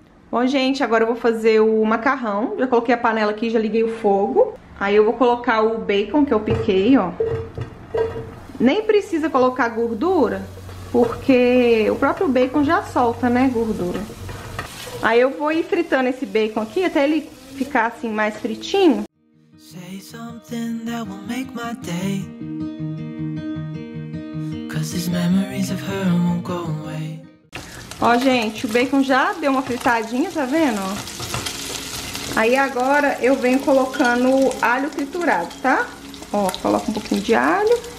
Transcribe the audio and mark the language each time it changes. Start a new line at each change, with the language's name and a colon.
Portuguese: Bom, gente, agora eu vou fazer o macarrão. Já coloquei a panela aqui, já liguei o fogo. Aí eu vou colocar o bacon que eu piquei, ó. Nem precisa colocar gordura, porque o próprio bacon já solta, né, gordura. Aí eu vou ir fritando esse bacon aqui até ele ficar assim mais fritinho.
English: Say something that will make my day. Cause these memories of her won't go away.
Portuguese: Ó, gente, o bacon já deu uma fritadinha, tá vendo? Aí agora eu venho colocando alho triturado, tá? Ó, coloco um pouquinho de alho.